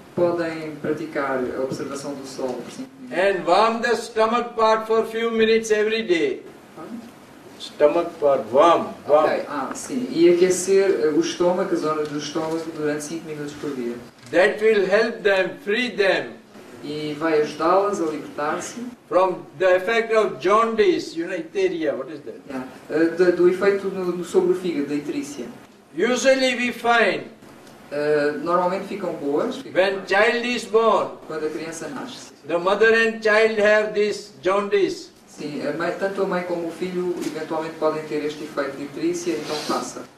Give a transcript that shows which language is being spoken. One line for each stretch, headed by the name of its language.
Portuguese: Podem praticar a observação do sol por 5 minutos.
English: And warm the stomach part for a few minutes every day. Pardon? Stomach part, warm.
Portuguese: Okay. Ah, sim. E aquecer o estômago, a zona do estômago, durante 5 minutos por dia.
English: That will help them, free them.
Portuguese: E vai ajudá-las a libertar-se.
English: From the effect of jaundice, you know, itteria, what is that? Yeah.
Portuguese: Do efeito no sobre o fígado, da itterícia.
English: Usually we find.
Portuguese: Normalmente ficam boas.
English: When child is born,
Portuguese: quando a criança nasce.
English: The mother and child have this jaundice.
Portuguese: Sim, a mãe, tanto a mãe como o filho eventualmente podem ter este efeito de itterícia, então passa.